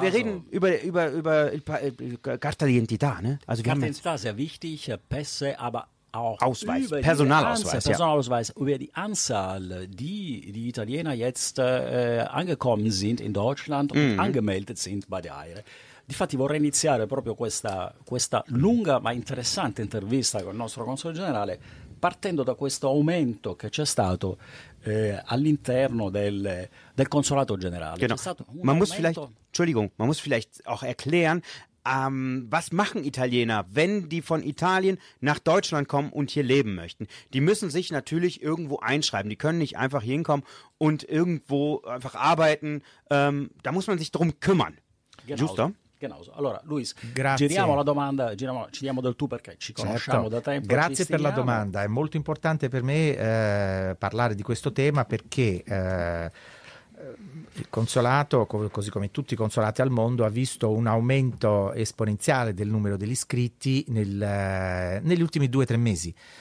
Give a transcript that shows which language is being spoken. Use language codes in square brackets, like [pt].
[de] wir reden über Carta d'Identità, ne? Also Carta d'Identità, sehr wichtig, Pässe, aber auch Ausweis, über Personalausweis. Anzahl, ja. Personalausweis, über die Anzahl, die Italiener jetzt angekommen sind in Deutschland und angemeldet sind bei der AIRE. [it] Difatti vorrei iniziare proprio questa lunga ma interessante intervista con il nostro console generale partendo da questo aumento che c'è stato all'interno del consolato generale. [de] Genau. [it] C'è stato un aumento. [de] Man muss vielleicht auch erklären, was machen Italiener, wenn die von Italien nach Deutschland kommen und hier leben möchten? Die müssen sich natürlich irgendwo einschreiben. Die können nicht einfach hinkommen und irgendwo einfach arbeiten. Da muss man sich drum kümmern. Genau. [it] Giusto? [de] Genauso. [it] Allora, Luis, giriamo la domanda, ci diamo del tu perché ci conosciamo da tempo. Grazie per la domanda, è molto importante per me parlare di questo tema perché il consolato, così come tutti i consolati al mondo, ha visto un aumento esponenziale del numero degli iscritti negli ultimi 2-3 mesi.